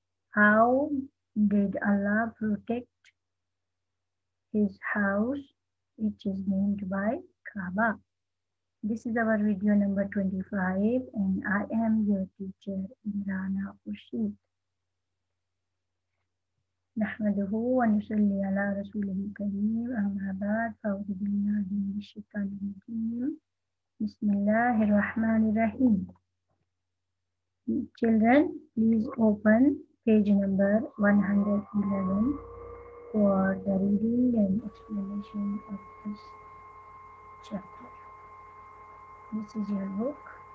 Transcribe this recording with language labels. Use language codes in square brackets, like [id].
[en] How did Allah protect his house, which is named by Kaaba? This is our video number 25, and I am your teacher, Imrana Urshid. [ar] نحمده ونصلي على رسوله الكريم أما بعد فأعوذ بالله من الشيطان الرجيم بسم الله الرحمن الرحيم. [en] Children, please open page number 111 for the reading and explanation of this chapter. This is your book.